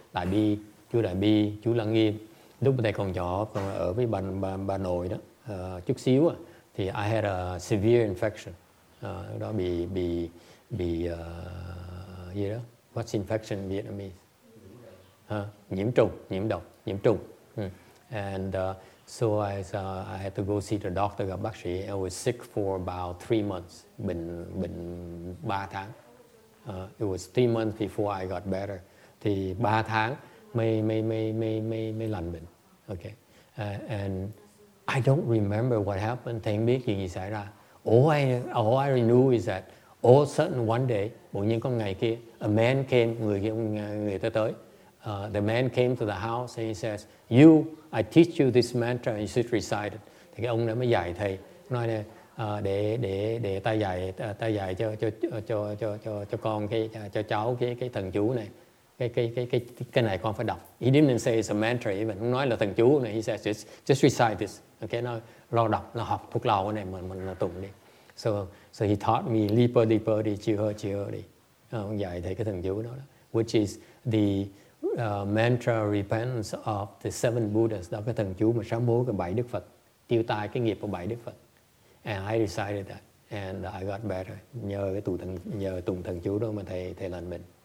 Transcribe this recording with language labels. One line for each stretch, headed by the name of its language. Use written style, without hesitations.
Vietnamese: Đại Bi, chú Đại Bi, chú Lăng Nghiêm. Lúc thầy còn nhỏ, còn ở với bà nội đó, chút xíu, thì
English: I had a severe infection.
Vietnamese: Đó bị gì đó.
English: What's infection in Vietnamese?
Vietnamese: Nhiễm trùng, nhiễm độc, nhiễm trùng.
English: And so I had to go see the doctor,
Vietnamese: gặp bác sĩ.
English: I was sick for about 3 months,
Vietnamese: bệnh 3 tháng.
English: It was 3 months before I got better.
Vietnamese: Thì 3 tháng mới lành bệnh.
English: Okay. And I don't remember what happened.
Vietnamese: Thầy biết chuyện gì xảy ra.
English: All I knew is that all of a sudden one day,
Vietnamese: bỗng nhiên có ngày kia,
English: a man came,
Vietnamese: người ta tới.
English: The man came to the house and he says, "You, I teach you this mantra and you should recite it."
Vietnamese: Thì cái ông đó mới dạy thầy, nói là để ta dạy cho con cho cháu cái thần chú này, cái này con phải đọc.
English: He didn't even say it's a mantra, even
Vietnamese: không nói là thần chú này.
English: He says just recite this.
Vietnamese: Okay, nó lo đọc, nó học thuộc lòng cái này mình nó tụng đi.
English: So he taught me
Vietnamese: lipo lipo đi chưa chưa đi. Ông dạy thầy cái thần chú đó,
English: which is the mantra repentance of the seven Buddhas,
Vietnamese: đó cái thần chú mà sám hối của bảy Đức Phật, tiêu tai cái nghiệp của bảy Đức Phật.
English: And I recited that, and I got better.
Vietnamese: Nhờ tụng thần chú đó mà thầy lành bệnh.